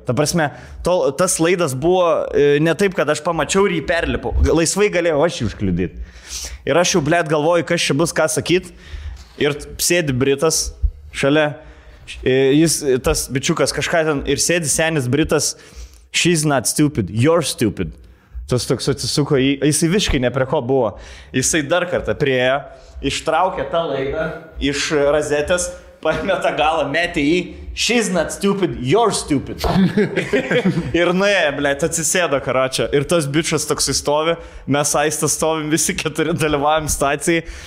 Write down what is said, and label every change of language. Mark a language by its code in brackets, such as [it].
[lt] Ta prasme, tas laidas buvo ne taip, kad aš pamačiau ir jį perlipau. Laisvai galėjau aš jį užkliudyti. Ir aš jau, blėt, galvoju, kas čia bus, ką sakyt. Ir sėdi Britas šalia. Jis, tas bičiukas, kažką ten, ir sėdi senis Britas. [en] She's not stupid, you're stupid. [lt] Tas toks atsisuko, jisai viškai ne prie ko buvo. Jisai dar kartą priejo, ištraukė tą laidą iš razetės, paėmė tą galą, metė jį, [en] she's not stupid, you're stupid. [lt] Ir nuėjo, blėt, atsisėdo, karočio. Ir tas bičas toks įstovė, mes Aistą stovim, visi keturi dalyvavim stacijai.